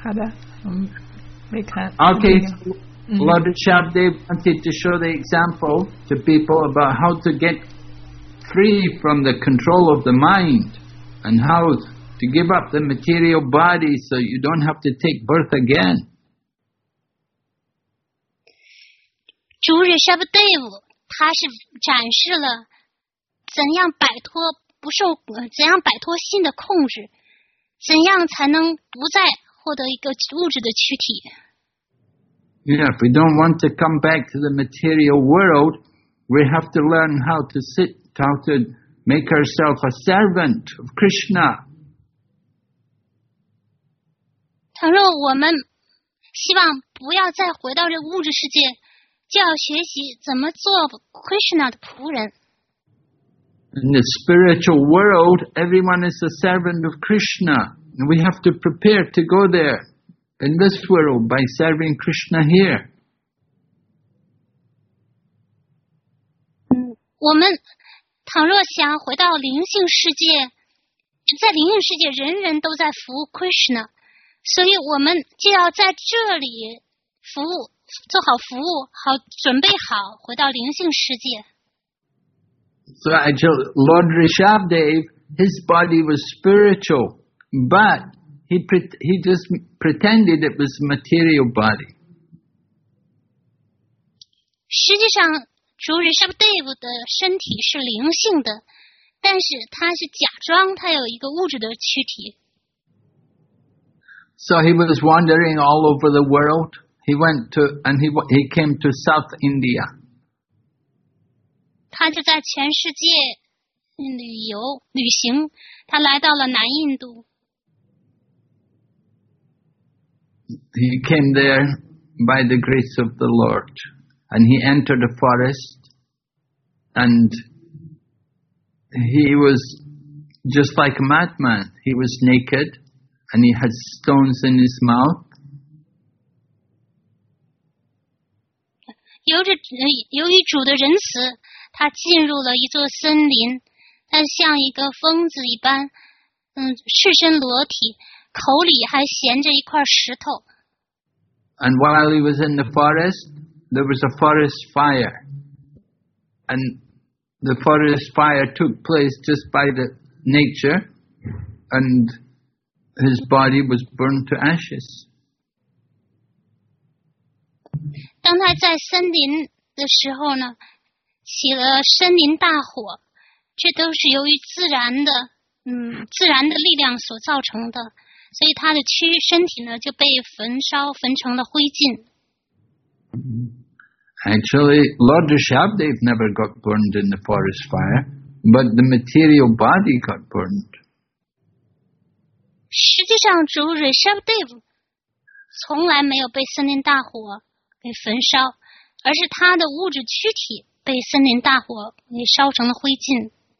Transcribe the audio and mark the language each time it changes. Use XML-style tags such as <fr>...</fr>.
<en>Okay, Lord Shabdev wanted to show the example to people about how to get free from the control of the mind and how to give up the material body so you don't have to take birth again.</en> <zh>主日 Shabdev 他是展示了怎样摆脱不受怎样摆脱心的控制，怎样才能不再获得一个物质的躯体。</zh> <en>Yeah, if we don't want to come back to the material world, we have to learn how to sit, how to make ourselves a servant of Krishna.</en> <zh>倘若我们希望不要再回到这物质世界，就要学习怎么做 Krishna 的仆人。</zh> <en>In the spiritual world, everyone is a servant of Krishna. And we have to prepare to go there in this world by serving Krishna here.</en> <zh>我们倘若想回到灵性世界，在灵性世界人人都在服务 Krishna， 所以我们就要在这里服务，做好服务，好准备好回到灵性世界。</zh> <en>So actually, Lord Rishabdev, his body was spiritual, but he just pretended it was a material body.</en> <zh>实际上，主 Rishabdev 的身体是灵性的，但是他是假装他有一个物质的躯体。</zh> <en>So he was wandering all over the world. He went to, and he came to South India.</en> <zh>他就在全世界旅游旅行，他来到了南印度。</zh> <en>He came there by the grace of the Lord, and he entered a forest, and he was just like a madman. He was naked, and he had stones in his mouth.</en> <zh>由于主的仁慈，他进入了一座森林，他像一个疯子一般，赤身裸体，口里还衔着一块石头。</zh> <en>And while he was in the forest, there was a forest fire. And the forest fire took place just by the nature, and his body was burned to ashes.</en> <zh>当他在森林的时候呢，起了森林大火，这都是由于自然的力量所造成的。所以他的身体呢就被焚烧焚成了灰烬。</zh> <en>Actually, Lord Rishabhdev never got burned in the forest fire, but the material body got burned.</en> <zh>实际上主 Rishabhdev 从来没有被森林大火给焚烧，而是他的物质躯体被森林大火给烧成了灰烬。</zh>